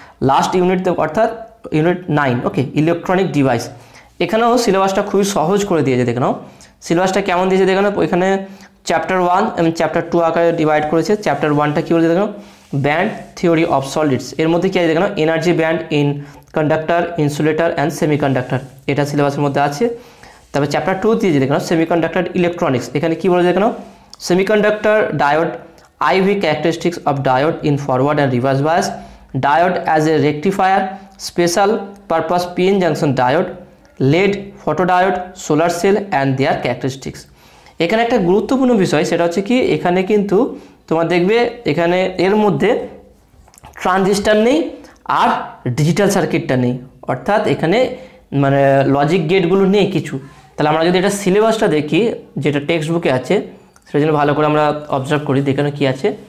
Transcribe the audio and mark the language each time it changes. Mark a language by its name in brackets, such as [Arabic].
[Bangla] Last unit অর্থাৎ unit 9 ওকে electronic device এখানেও সিলেবাসটা খুবই সহজ করে দিয়েছে দেখে নাও সিলেবাসটা কেমন দিয়েছে দেখে নাও এখানে চ্যাপ্টার 1 এবং চ্যাপ্টার 2 আকারে ডিভাইড করেছে চ্যাপ্টার 1টা কী বলছে দেখে নাও ব্যান্ড থিওরি অফ সলিডস এর মধ্যে কি আছে দেখে নাও energy band in conductor insulator and semiconductor এটা সিলেবাসের মধ্যে আছে তবে চ্যাপ্টার 2 দিয়ে দেখো সেমিকন্ডাক্টর ইলেকট্রনিক্স এখানে কি বলে দেখো [English] Semiconductor diode IV characteristics of diode in forward and reverse bias, diode as a rectifier, special purpose PN junction diode, lead photodiode, solar cell and their characteristics. [Bangla] এখানে একটা গুরুত্বপূর্ণ বিষয় সেটা হচ্ছে কি এখানে কিন্তু তোমরা দেখবে এখানে এর মধ্যে ট্রানজিস্টর নেই আর ডিজিটাল সার্কিটটা নেই অর্থাৎ এখানে মানে লজিক গেটগুলো নেই কিছু তাহলে আমরা যদি এটা সিলেবাসটা দেখি যেটা টেক্সটবুকে আছে সেটা যেন ভালো করে আমরা অবজার্ভ করি দেখানো কি আছে